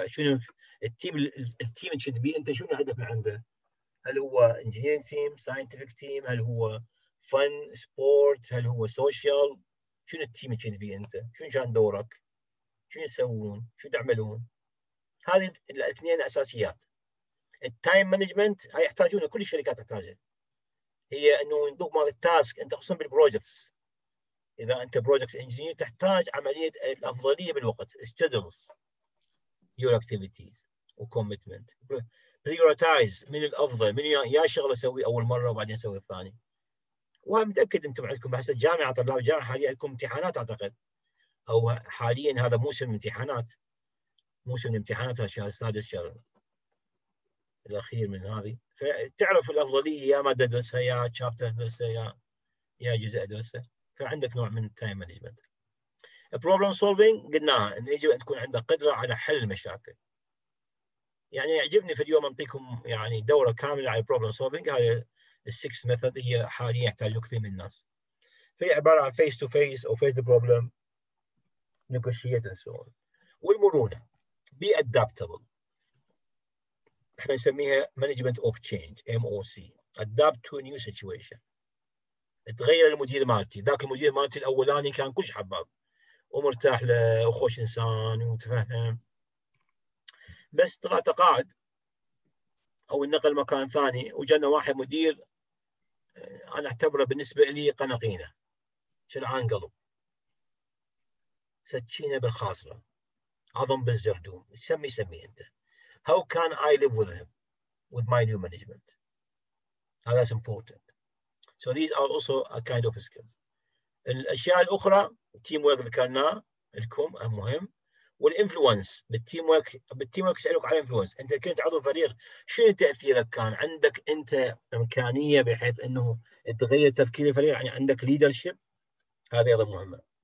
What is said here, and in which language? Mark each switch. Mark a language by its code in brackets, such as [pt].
[ar] شنو التيم اللي تبيه أنت؟ شنو هدف عنده؟ هل هو [en] engineering team، scientific team، [ar] هل هو fun، sport، هل هو social؟ شنو التيم اللي تبيه انت؟ شنو كان دورك؟ شنو يسوون؟ شو تعملون؟ هذه الاثنين اساسيات. التايم مانجمنت هاي يحتاجونه كل الشركات تحتاجها، هي انه يندوق مال التاسك. انت خصوصا بالبروجكتس، اذا انت بروجكت انجينير تحتاج عمليه الافضليه بالوقت. [en] schedules your activities و commitment. [ar] prioritize من الافضل، من يا شغله اسوي اول مره وبعدين اسوي الثاني. وانا متاكد انتم عندكم بحث الجامعه، طلاب الجامعه حاليا عندكم امتحانات اعتقد، او حاليا هذا موسم امتحانات، موسم الامتحانات الشهر السادس الشهر الاخير من هذه. فتعرف الافضليه، يا ماده ادرسها، يا شابتر ادرسها، يا جزء ادرسه. فعندك نوع من التايم مانجمنت. problem solving قلناها، ان يجب ان تكون عندك قدره على حل المشاكل. يعني يعجبني في اليوم أعطيكم يعني دورة كاملة على problem solving. هاي six method هي حاليا يحتاجوا كثير من الناس. هي عبارة عن [en] face to face [ar] أو [en] face the problem، negotiate and so on. [ar] والمرونة، [en] be adaptable. [ar] إحنا نسميها management of change MOC. [en] adapt to a new situation. [ar] تغير المدير مالتي. ذاك المدير مالتي الأولاني كان كلش حباب ومرتاح له وخوش إنسان ومتفهم، بس طلع تقاعد او نقل مكان ثاني، وجانا واحد مدير أنا أعتبره بالنسبة لي قنقينة شرعان قلب سكينة بالخاصرة عظم بالزردوم سمي أنت. [en] How can I live with him with my new management? That's important. So these are also a kind of skills. [ar] الأشياء الأخرى التيم ورك ذكرنا الكم مهم والإنفلونس بالتيم ورك بالتيم ورك يسألوك على الإنفلونس أنت كنت عضو فريق شنو تأثيرك كان عندك أنت إمكانية بحيث أنه تغير تفكير الفريق يعني عندك ليدرشيب هذه أيضا مهمة